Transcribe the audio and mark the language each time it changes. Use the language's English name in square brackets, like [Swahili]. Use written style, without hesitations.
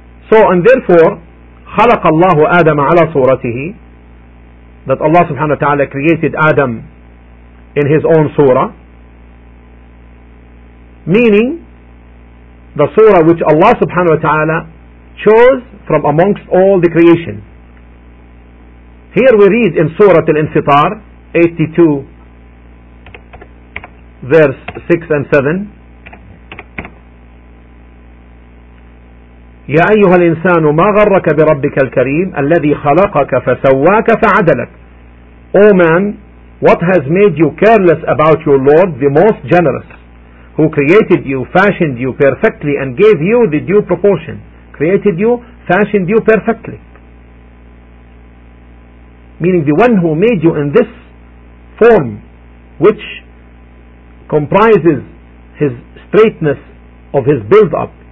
[English] So, and therefore, [Arabic] خلق الله آدم على صورته, [English] that Allah subhanahu wa ta'ala created Adam in his own surah, meaning the surah which Allah subhanahu wa ta'ala chose from amongst all the creation. Here we read in Surah Al-Infitar 82 verse 6 and 7, [Arabic] يا أيها الإنسان ما غرك بربك الكريم الذي خلقك فسواك فعدلك. [English] O man, what has made you careless about your Lord, the Most Generous, who created you, fashioned you perfectly, and gave you the due proportion? Created you, fashioned you perfectly. Meaning the one who made you in this form, which comprises his straightness of his build up.